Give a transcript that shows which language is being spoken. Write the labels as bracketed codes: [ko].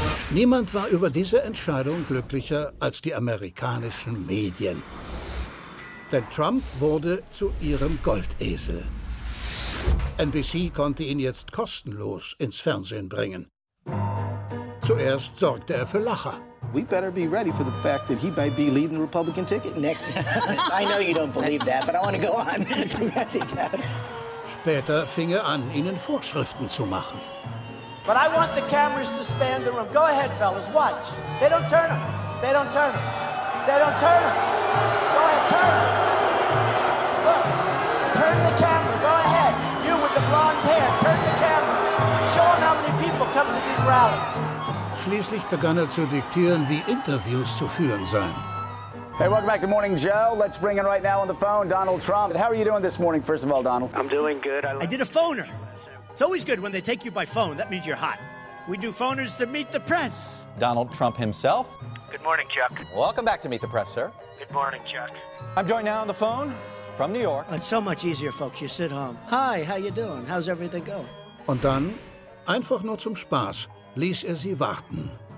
[de] Niemand war über diese Entscheidung glücklicher als die amerikanischen Medien. Denn Trump wurde zu ihrem Goldesel. NBC konnte ihn jetzt kostenlos ins Fernsehen bringen. Zuerst sorgte er für Lacher. [en] We better be ready for the fact that he might be leading the Republican ticket next. I know you don't believe that, but I want to go on to that. [de] Später fing er an, ihnen Vorschriften zu machen. [en] But I want the cameras to span the room. Go ahead, fellas, watch. They don't turn them. They don't turn them. They don't turn them. Go ahead, turn them. Look, turn the camera. Go ahead. You with the blonde hair, turn the camera. Show them how many people come to these rallies. [de] Schließlich begann er zu diktieren, wie Interviews zu führen seien. [en] Hey, welcome back to Morning Joe. Let's bring in right now on the phone Donald Trump. How are you doing this morning, first of all, Donald? I'm doing good. I did a phoner. It's always good when they take you by phone. That means you're hot. We do phoners to meet the press. Donald Trump himself. Good morning, Chuck. Welcome back to Meet the Press, sir. Good morning, Chuck. I'm joined now on the phone from New York. It's so much easier, folks. You sit home. Hi, how you doing? How's everything going? [de] Und dann, einfach nur zum Spaß, ließ er sie warten.